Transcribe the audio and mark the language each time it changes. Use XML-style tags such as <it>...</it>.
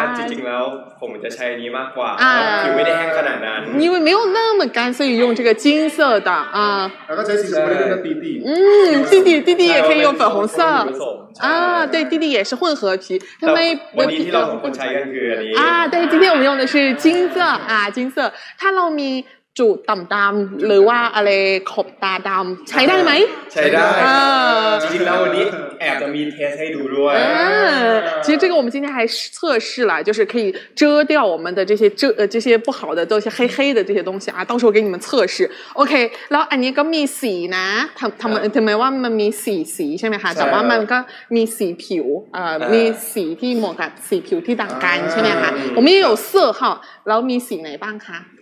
<th>าจริงๆแล้วผมจะใช้อันนี้มากกว่าผิวไม่ได้แห้งขนาดนั้</th> <zh>น因为没有那么干所以用这个金色的</zh> <th>แล้วก็ใช้สีชมพูได้ด้</th> <zh>วยนะ弟弟也可以用粉红色对弟弟也是混合皮</zh> <th>วันนี้ที่เราสองคนใช้กันคืออันนี้</th> <zh>对今天我们用的是金色金色</zh> <th>ถ้าเรามีจุดดำๆหรือว่าอะไรขอบตาดำใช้ได้ไหม ใช้ได้จริงๆแล้ววันนี้แอบจะมีเทสให้ดูด้วย</th> <zh>其实这个我们今天还测试了就是可以遮掉我们的这些这些不好的这些黑黑的这些东西到时候给你们测试 OK</zh> <th>แล้วอันนี้ก็มีสีนะทำไมว่ามันมีสีใช่ไหมคะแต่ว่ามันก็มีสีผิวมีสีที่เหมาะกับสีผิวที่ต่างกันใช่ไหมคะ</th> <zh>我们也有色号</zh> <th>แล้วมีสีไหนบ้างคะ</th>